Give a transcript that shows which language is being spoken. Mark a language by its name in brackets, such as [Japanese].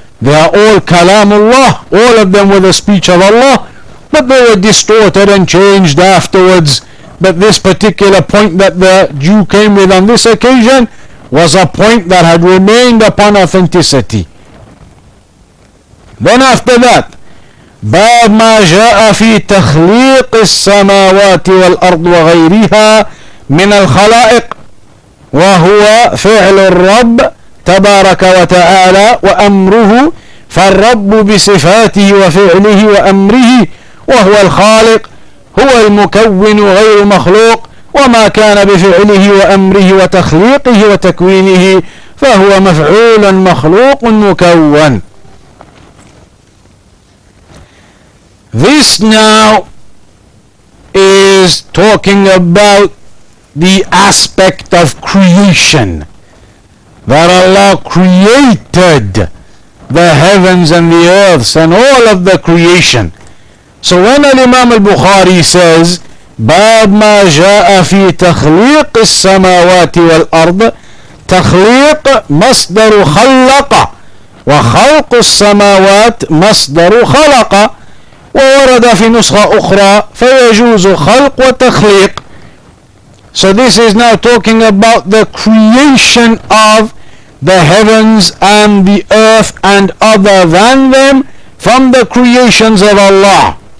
[English] They are all Kalamullah. All of them were the speech of Allah. But they were distorted and changed afterwards. But this particular point that the Jew came with on this occasion was a point that had remained upon authenticity. Then after that, [Arabic] باب ما جاء في تخليق السماوات والأرض وغيرها من الخلائق وهو فعل الرب تبارك وتعالى وأمره فالرب بصفاته وفعله وأمره وهو الخالق هو المكون غير مخلوق وما كان بفعله وأمره وتخليقه وتكوينه فهو مفعول مخلوق مكون. [English] This now is talking about the aspect of creation, that Allah created the heavens and the earths and all of the creation. So when Al-Imam Al-Bukhari says, [Arabic] باب ما جاء في تخليق السماوات والأرض, تخليق مصدر خلق وخلق السماوات مصدر خلق وورد في نسخة أخرى فيجوز خلق وتخليق. [English] So this is now talking about the creation of the heavens and the earth and other than them from the creations of Allah.